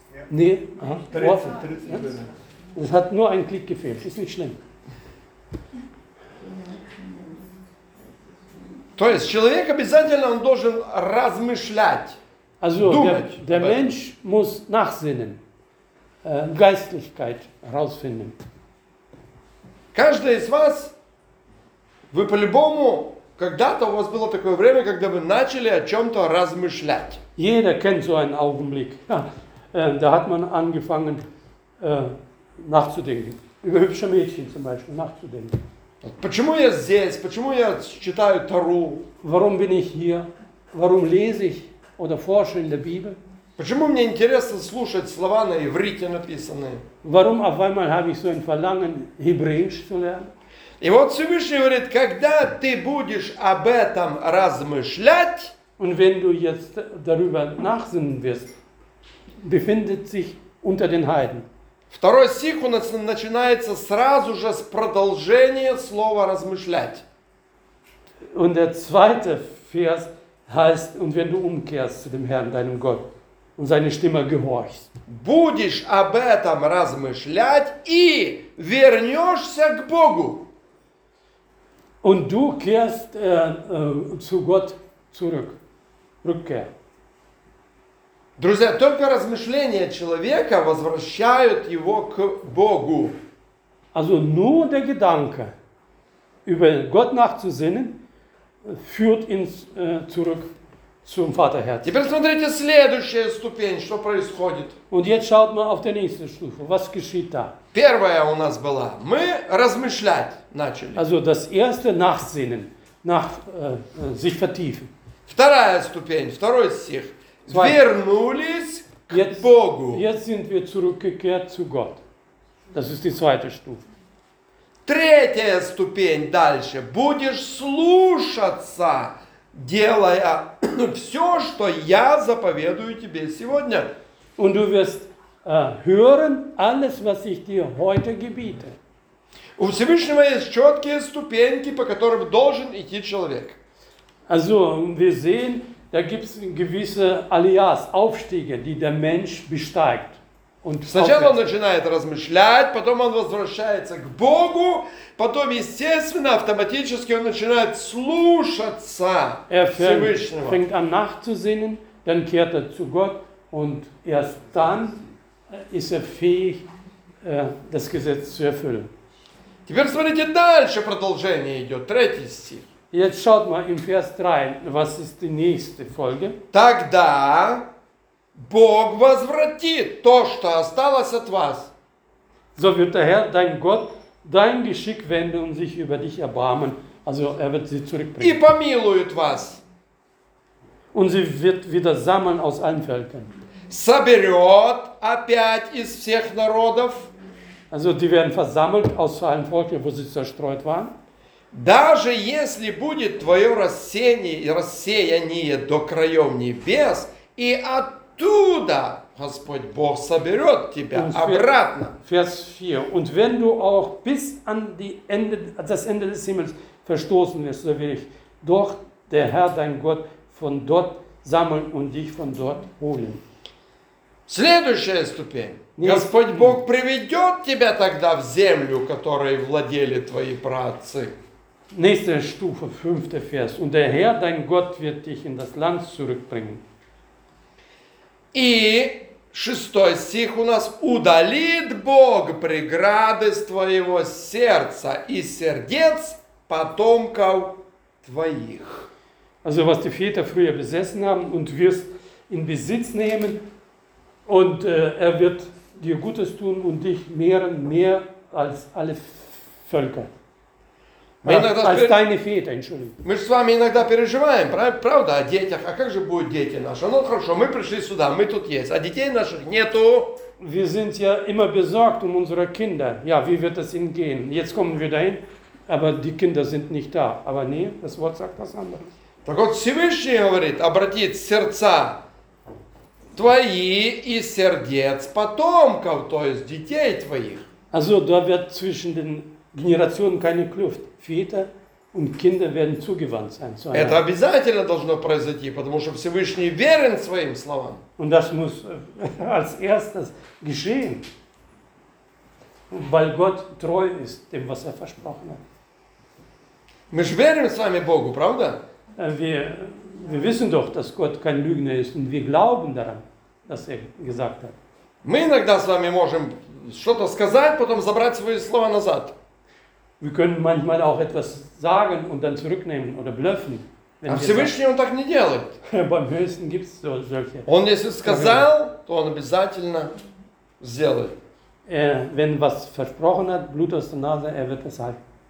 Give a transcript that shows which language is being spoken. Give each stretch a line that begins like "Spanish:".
German: Es hat nur einen Klick gefehlt, ist nicht schlimm.
Russian: То есть человек обязательно должен размышлять, думать.
German: Der Mensch muss nachsinnen, Geistlichkeit herausfinden.
Russian: Каждый из вас, вы по-любому, когда-то у вас было такое время, когда вы начали о чем-то размышлять.
German: Jeder kennt so einen Augenblick. Da hat man angefangen nachzudenken. Über hübsche Mädchen zum Beispiel nachzudenken.
Russian: Почему я здесь? Почему я читаю Тару?
German: Warum bin ich hier? Warum lese ich oder forsche in der Bibel?
Russian: Почему мне интересно слушать слова на иврите написанные?
German: Warum auf einmal habe ich so ein Verlangen, Hebräisch zu lernen?
Russian: И вот Всевышний говорит, когда ты будешь об этом размышлять,
German: und wenn du jetzt darüber nachsinnen wirst, befindet sich unter den Heiden.
Russian: Второй стих у нас начинается сразу же с продолжения слова размышлять.
German: Und der zweite Vers heißt, und wenn du umkehrst zu dem Herrn, deinem Gott, und seine Stimme gehorchst.
Russian: Будешь об этом размышлять и вернешься к Богу.
German: Und du kehrst zu Gott zurück. Rückkehr.
Russian: Друзья, только размышления человека возвращают его к Богу.
German: Also nur der Gedanke, über Gott nachzusinnen, führt ihn zurück. Zum Vaterherz.
Russian: Теперь смотрите следующая ступень, что происходит.
German: Und jetzt schaut man auf die nächste Stufe. Was geschieht da?
Russian: Первая у нас была. Мы размышлять начали.
German: Also das erste nachsinnen, sich vertiefen.
Russian: Вторая ступень, второй стих. Вернулись
German: jetzt,
Russian: к Богу.
German: Jetzt sind wir zurückgekehrt zu Gott. Das ist die zweite Stufe.
Russian: Третья ступень дальше. Будешь слушаться. Делая все, что я заповедую тебе сегодня.
German: Und du wirst hören alles, was ich dir heute gebiete.
Russian: У Всевышнего есть четкие ступеньки, по которым должен идти человек.
German: Also, wir sehen, da gibt's gewisse Alias, Aufstiege, die der Mensch besteigt. Und
Russian: сначала он начинает размышлять, потом он возвращается к Богу, потом, естественно, автоматически он начинает слушаться Всевышнего.
German: Er fängt an nachzusinnen, dann kehrt zu Gott und erst dann ist fähig, das Gesetz zu erfüllen.
Russian: Теперь смотрите дальше, продолжение идет, третий стих.
German: Jetzt schaut mal im Vers 3, was ist die nächste Folge?
Russian: Тогда Бог возвратит то, что осталось от вас.
German: So wird der Herr, dein Gott, dein Geschick wenden und sich über dich erbarmen. Also er wird sie zurückbringen.
Russian: И помилует вас.
German: Und sie wird wieder sammeln aus allen Völkern.
Russian: Соберет опять из всех народов.
German: Also die werden versammelt aus allen Völkern, wo sie zerstreut waren.
Russian: Даже если будет твое рассеяние до краев небес, и оттуда Господь Бог соберет тебя обратно.
German: Vers 4. Und wenn du auch bis an das Ende des Himmels verstoßen wirst, so will ich doch der Herr, dein Gott, von dort sammeln und dich von dort holen.
Russian: Следующая ступень. Господь Бог приведет тебя тогда в землю, которой владели твои праотцы.
German: Nächste Stufe, fünfter Vers. Und der Herr, dein Gott, wird dich in das Land zurückbringen.
Russian: И шестой стих у нас. Удалит Бог преграды с твоего сердца и сердец потомков твоих.
German: Also was die Väter früher besessen haben und wirst in Besitz nehmen und er wird dir Gutes tun und dich mehren mehr als alle Völker.
Russian: Мы же с вами иногда переживаем, правда, о детях. А как же будут дети наши? Ну хорошо, мы пришли сюда, мы тут есть. А детей наших нету.
German: Wir sind ja immer besorgt um unsere Kinder. Ja, wie wird es ihnen gehen? Jetzt kommen wir dahin, aber die Kinder sind nicht da. Aber nee, das Wort sagt das andere.
Russian: Так вот Всевышний говорит, обратит сердца твои и сердец потомков, то есть детей твоих.
German: Also, da wird zwischen den Generationen keine Kluft. Väter und Kinder werden zugewandt sein.
Russian: Это обязательно должно произойти, потому что Всевышний верен своим словам.
German: Und das muss als erstes geschehen, weil Gott treu ist dem, was versprochen hat.
Russian: Мы же верим с вами Богу, правда?
German: Wir wissen doch, dass Gott kein Lügner ist und wir glauben daran, dass gesagt hat.
Russian: Мы иногда с вами можем что-то сказать, потом забрать свои слова назад.
German: Wir können manchmal auch etwas sagen und dann zurücknehmen oder blöffen. Am
Russian: Всевышний он так не делает.
German: Beim Höchsten gibt es solche.
Russian: Он если сказал, то он обязательно сделает.
German: Wenn was versprochen hat, Blut aus der Nase, wird es halten.